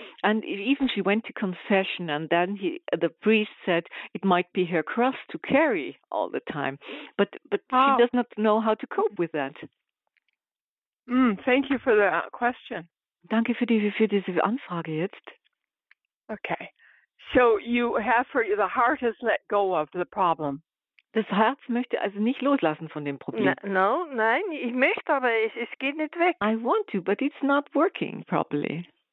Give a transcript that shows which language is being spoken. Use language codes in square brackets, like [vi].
[en] And even she went to confession, and then the priest said it might be her cross to carry all the time, but she does not know how to cope with that. Thank you for the question. [de] Danke für diese Anfrage jetzt. Okay. [en] So you have for you, the heart has let go of the problem. [de] Das Herz möchte also nicht loslassen von dem Problem. Nein, ich möchte, aber es geht nicht weg. [en] I want to, but it's not working properly.